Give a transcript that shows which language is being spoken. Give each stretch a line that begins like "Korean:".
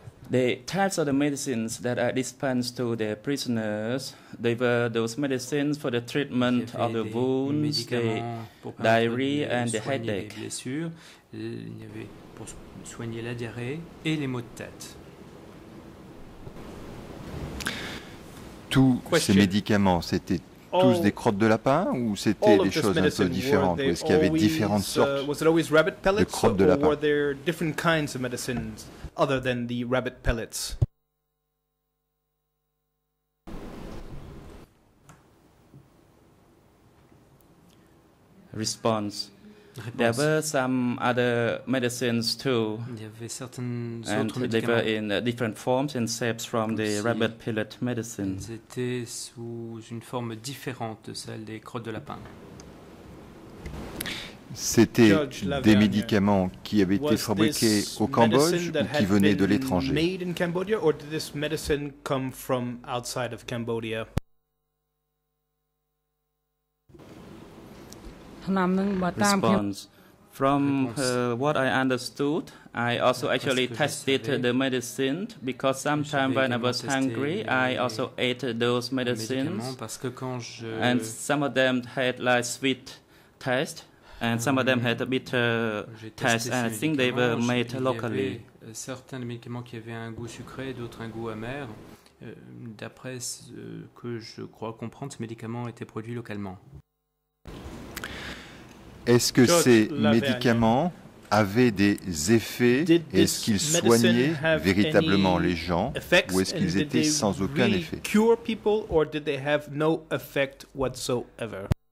English: The types of the medicines that I dispensed to the prisoners, they were those medicines for the treatment of the wounds, the diarrhea, and the headache.
French: Bien sûr, il y avait pour soigner la diarrhée et les maux de tête. Tous ces médicaments, c'était tous des crottes de lapin ou c'était des choses un peu différentes? Est-ce qu'il y avait différentes sortes de crottes de lapin?
English: Were there different kinds of medicines other than the rabbit pellets? Response. There were some other medicines too.
French: Il y avait certaines
English: and they were in different forms and shapes from the rabbit pellet medicine.
French: Ils étaient sous une forme différente de celle des crottes de lapin. C'était des médicaments qui avaient été fabriqués au Cambodge ou qui venaient de l'étranger?
English: Made in Cambodia, or did this medicine come from outside of Cambodia? Response. From what I understood, I also actually tested the medicine because sometimes when I was hungry, I also ate those medicines. And some of them had like sweet taste, and some of them had a bitter taste, and I think they were made locally.
French: Certains médicaments qui avaient un goût sucré, d'autres un goût amer. D'après ce que je crois comprendre, ce médicament était produit localement. Est-ce que ces médicaments avaient des effets? Est-ce qu'ils soignaient véritablement les gens ou est-ce qu'ils étaient sans aucun effet?
English: Cure people or did they have no effect whatsoever?